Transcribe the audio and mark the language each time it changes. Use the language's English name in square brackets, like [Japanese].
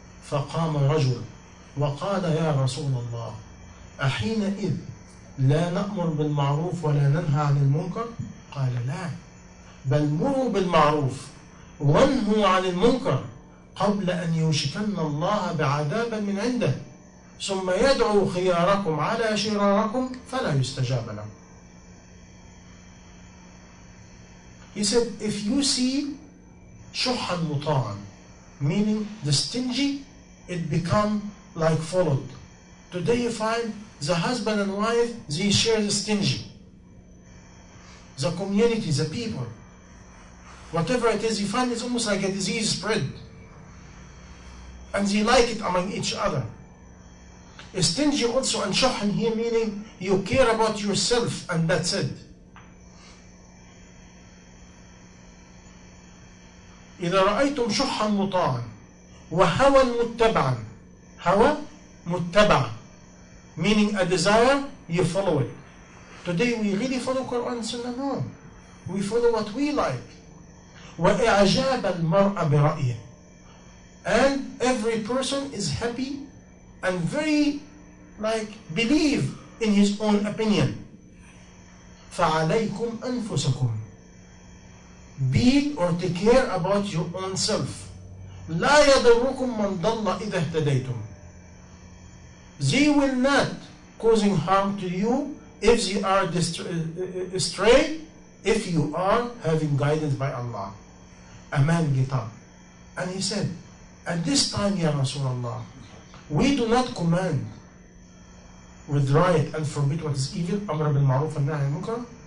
[Arabic] فقام رجل وقال يا رسول الله أحينئذ لا نأمر بالمعروف ولا ننهى عن المنكر؟ قال لا، بل مروا بالمعروف وانهوا عن المنكر قبل أن يوشكن الله بعذاب من عنده ثم يدعو خياركم على شراركم فلا يستجاب لهم. [English] He said, if you see shuhan muta'an, meaning the stingy, it become like followed. Today you find the husband and wife, they share the stingy. The community, the people, whatever it is, you find it's almost like a disease spread. And they like it among each other. Stingy also and shuhan here meaning you care about yourself and that's it. [Arabic] إذا رأيتم شحا مطاعا وهوى متبعا. هوى متبع [English] meaning a desire, you follow it. Today we really follow Quran and Sunnah? No. We follow what we like. [Arabic] وإعجاب المرء برأيه. [English] And every person is happy and very like believe in his own opinion. [Arabic] فعليكم أنفسكم. [English] Be or take care about your own self. [Arabic] لا يضركم من ضل إذا اهتديتم. [English] They will not causing harm to you if they are astray, if you are having guidance by Allah. Aman Gitan. And he said, at this time, Ya Rasulullah, we do not command with riot and forbid what is evil, Amr bin Ma'ruf and Nahi Munkar.